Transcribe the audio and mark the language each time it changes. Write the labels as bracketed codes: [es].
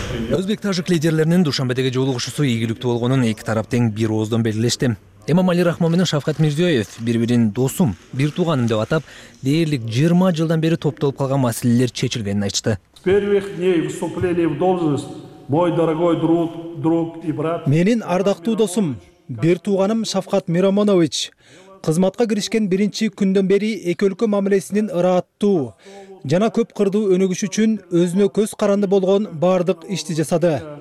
[ky] Өзбек-тажик лидерлеринин Душанбедеги жолугушуусу ийгиликтүү болгонун эки тарап тең бир ооздон белгилешти. Эмомали Рахмон менен Шавкат Мирзиёев бири бирин досум, бир тууганым деп атап, дээрлик 20 жылдан бери топтолуп калган маселелер чечилгенин айтышты. [ru] С первых дней вступления в должность, мой дорогой друг, друг и брат. [ky] Менин ардактуу досум, бир тууганым Шавкат Миромонович, кызматка киришкен биринчи күндөн бери эки өлкө мамилесинин ырааттуу жана көп кырдуу өнүгүш үчүн өзүнө көз каранды болгон баардык ишти жасады.